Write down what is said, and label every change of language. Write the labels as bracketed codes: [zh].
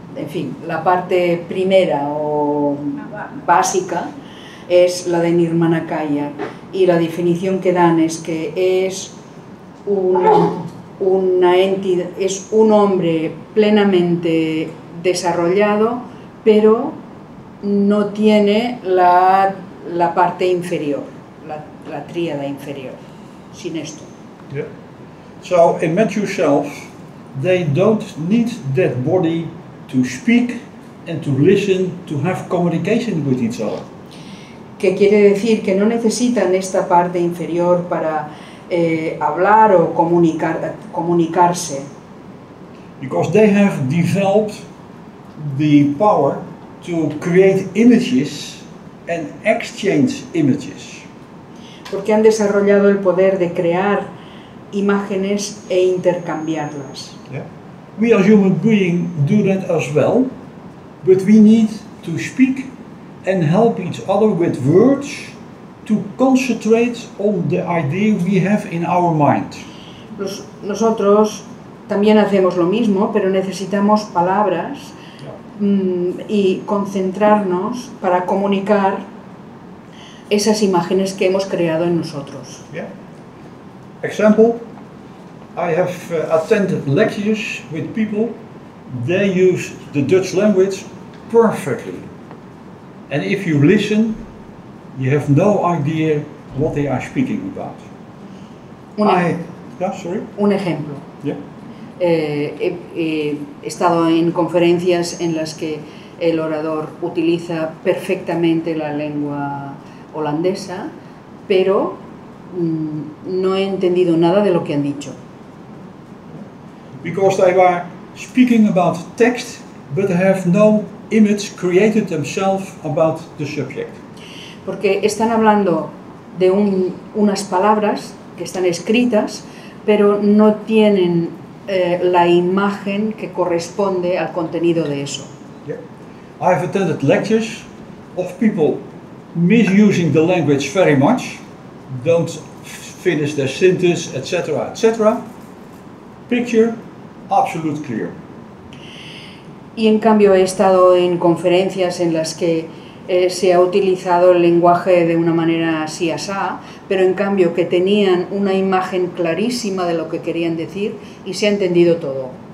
[es] En fin, la parte primera o básica es la de Nirmanakaya, y la definición que dan es que es una entidad, es un hombre plenamente desarrollado, pero no tiene la parte inferior, la tríada inferior, sin esto. [en] Yeah. So in Matthew 12, they don't need that body to speak and to listen, to have communication with each other. [es] Que quiere decir que no necesitan esta parte inferior para hablar o comunicarse. [en] Because they have developed the power to create images and exchange images. [es] Porque han desarrollado el poder de crear imágenes e intercambiarlas. [en] Yeah. We as human beings do that as well, but we need to speak and help each other with words to concentrate on the idea we have in our mind. [es] Nosotros también hacemos lo mismo, pero necesitamos palabras y concentrarnos para comunicar esas imágenes que hemos creado en nosotros. [en] Yeah. Example, I have attended lectures with people, they use the Dutch language perfectly. And if you listen, you have no idea what they are speaking about. [es] Un ejemplo. [en] Yeah. [es] He estado en conferencias en las que el orador utiliza perfectamente la lengua holandesa, pero no he entendido nada de lo que han dicho. [en] Because they were speaking about text, but have no image created themselves about the subject. [es] Porque están hablando de unas palabras que están escritas, pero no tienen la imagen que corresponde al contenido de eso. [en] Yeah. I've attended lectures of people misusing the language very much, don't finish their sentence, etc., etc. Picture absolute clear. [es] Y en cambio he estado en conferencias en las que se ha utilizado el lenguaje de una manera así asá, pero en cambio que tenían una imagen clarísima de lo que querían decir y se ha entendido todo.